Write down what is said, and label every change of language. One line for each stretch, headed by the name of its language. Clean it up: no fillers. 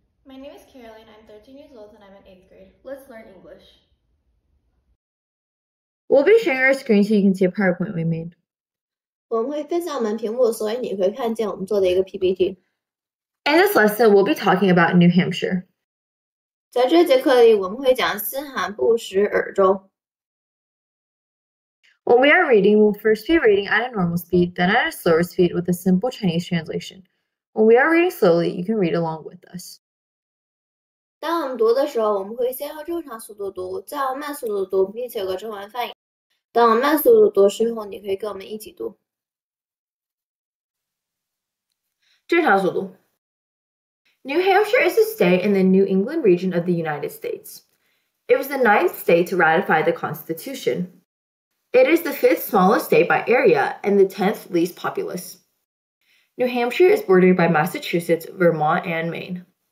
English: My name is Caroline, I'm 13 years old and I'm in 8th grade. Let's learn English. We'll be sharing our screen so you can see a PowerPoint we made.
Chinese: 我们会分享我们屏幕，所以你会看见我们做的一个 PPT.
English: In this lesson, we'll be talking about New Hampshire.
Chinese: 在这节课里，我们会讲新罕布什州。
English: When we are reading, we'll first be reading at a normal speed, then at a slower speed with a simple Chinese translation. When we are reading slowly, you can read along with us.
Chinese: 当我们读的时候，我们会先用正常速度读，再用慢速度读，并且有个中文翻译。当我慢速度读时候，你可以跟我们一起读。正常速度。
English: New Hampshire is a state in the New England region of the United States. It was the 9th state to ratify the Constitution. It is the 5th smallest state by area and the 10th least populous. New Hampshire is bordered by Massachusetts, Vermont, and Maine.